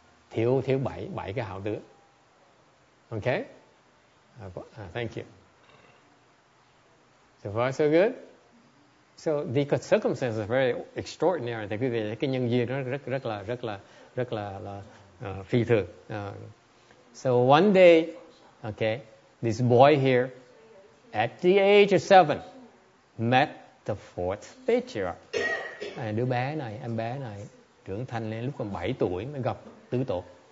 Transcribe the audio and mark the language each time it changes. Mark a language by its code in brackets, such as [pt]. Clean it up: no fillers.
[vi] Thiếu 7 cái hảo tướng. [en] Okay? Thank you. So far, so good? So the circumstances are very extraordinary. [vi] Thì quý vị, cái nhân duyên nó rất là phi thường. [en] So one day, okay, this boy here, at the age of 7, met the fourth patriarch. [vi] Đứa bé này, em bé này, trưởng thành lên lúc còn 7 tuổi mới gặp tứ tổ.